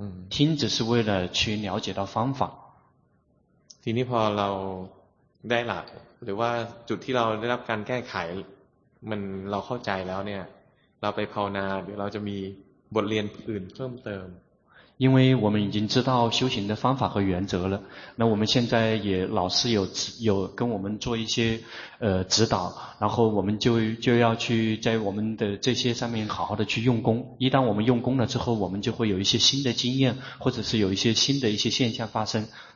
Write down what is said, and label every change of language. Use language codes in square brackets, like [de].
[zh] 听只是为了去了解到方法 [th] ทีนี้พอเราได้หลักหรือว่าจุดที่เราได้รับการแก้ไขมันเราเข้าใจแล้วเนี่ยเราไปภาวนาเดี๋ยวเราจะมีบทเรียนอื่นเพิ่มเติม [zh] 因为我们已经知道修行的方法和原则了那我们现在也老师有跟我们做一些指导然后我们就要去在我们的这些上面好好的去用功一旦我们用功了之后我们就会有一些新的经验或者是有一些新的一些现象发生